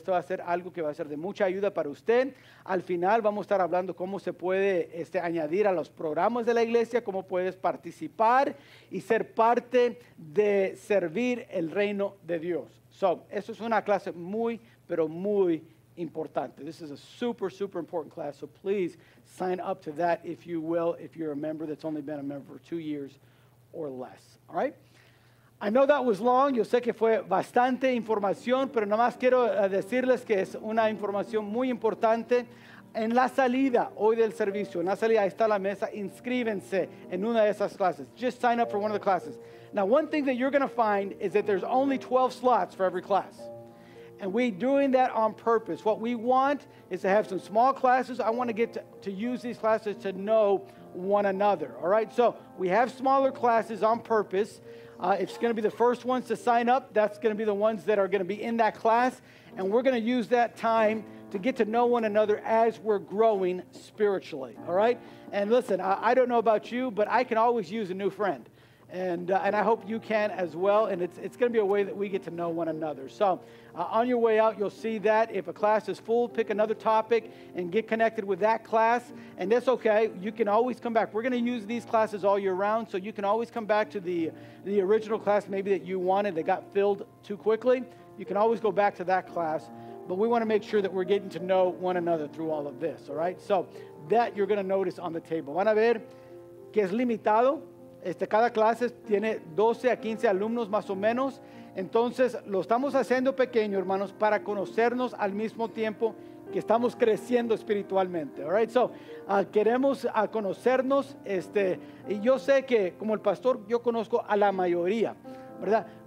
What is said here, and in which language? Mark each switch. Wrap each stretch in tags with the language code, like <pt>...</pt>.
<es>Esto va a ser algo que va a ser de mucha ayuda para usted. Al final vamos a estar hablando cómo se puede añadir a los programas de la iglesia, cómo puedes participar y ser parte de servir el reino de Dios. So, esto es una clase muy, pero muy importante.</es> <en>This is a super, super important class. So please sign up to that if you will, if you're a member that's only been a member for 2 years or less. All right? I know that was long.</en> <es>Yo sé que fue bastante información, pero nomás quiero decirles que es una información muy importante. En la salida hoy del servicio, en la salida, ahí está la mesa, inscríbense en una de esas clases.</es> <en>Just sign up for one of the classes. Now, one thing that you're going to find is that there's only 12 slots for every class. And we're doing that on purpose. What we want is to have some small classes. I want to get to use these classes to know one another. All right? So we have smaller classes on purpose. It's going to be the first ones to sign up. That's going to be the ones that are going to be in that class. And we're going to use that time to get to know one another as we're growing spiritually. All right? And listen, I don't know about you, but I can always use a new friend. And I hope you can as well. And it's going to be a way that we get to know one another. So on your way out, you'll see that. If a class is full, pick another topic and get connected with that class. And that's okay. You can always come back. We're going to use these classes all year round. So you can always come back to the original class maybe that you wanted that got filled too quickly. You can always go back to that class. But we want to make sure that we're getting to know one another through all of this. All right? So that you're going to notice on the table.</en> <es>Van a ver que es limitado. Cada clase tiene 12 a 15 alumnos más o menos. Entonces, lo estamos haciendo pequeño, hermanos, para conocernos al mismo tiempo que estamos creciendo espiritualmente.</es> <en>All right? So,</en> <es>queremos conocernos. Y yo sé que, como el pastor, yo conozco a la mayoría, ¿verdad?</es>